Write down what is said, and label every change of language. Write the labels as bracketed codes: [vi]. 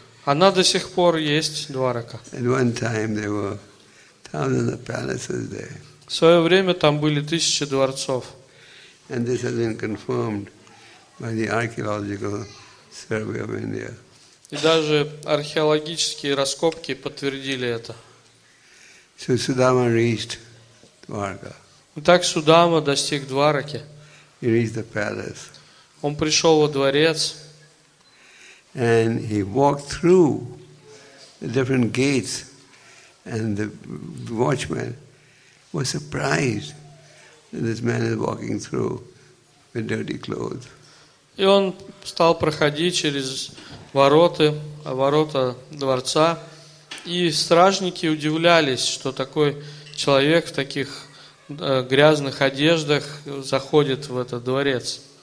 [ru] Она до сих пор есть, Дварака. [en] At one time there were thousands of palaces there. [ru] В свое время там были тысячи дворцов. [en] And this has been confirmed by the archaeological survey of India. [ru] И даже археологические раскопки подтвердили это. [en] So Sudama reached Dwarka. [ru] Так Судама достиг Двараки. [en] He reached the palace. [ru] Он пришел во дворец. [en] And he walked through the different gates, and the watchman was surprised that this man is walking through with dirty clothes. [ru] И он стал проходить через ворота дворца. И стражники удивлялись, что такой человек в таких грязных одеждах заходит в этот дворец.